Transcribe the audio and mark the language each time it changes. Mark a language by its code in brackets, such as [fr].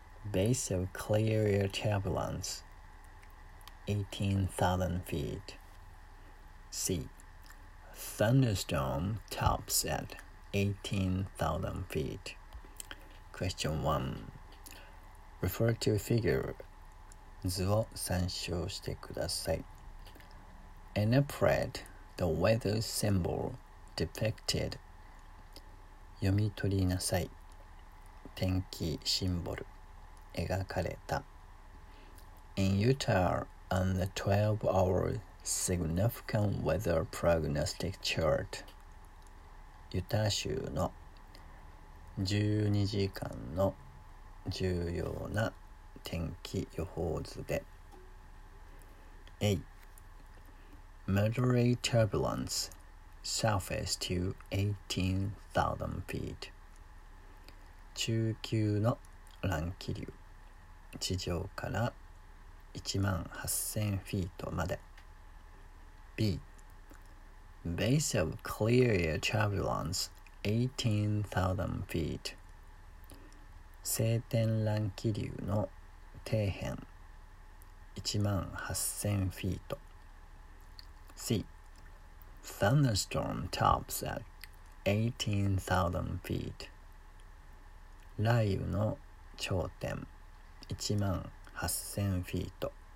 [en] Base of clear air turbulence. 18,000 feet. C. Thunderstorm tops at 18,000 feet. Question 1. Refer to figure. [ja] 図を参照してください。 [en] In a plate, the weather symbol depicted. [ja] 読み取りなさい。天気シンボル。描かれた。 [en] In Utah, on the 12-hour significant weather prognostic chart. [ja] ユタ州の12時間の重要な天気予報図で。 [en] A. Moderate turbulence, surface to 18,000 feet. [ja] 中級の乱気流。地上から1万8000フィートまで。 [en] B. Base of clear air turbulence, 18,000 feet. [ja] 晴天乱気流の底辺1万8000フィート。 [en] C. Thunderstorm tops at 18,000 feet. [ja] 雷雨の頂点1万8000フィート。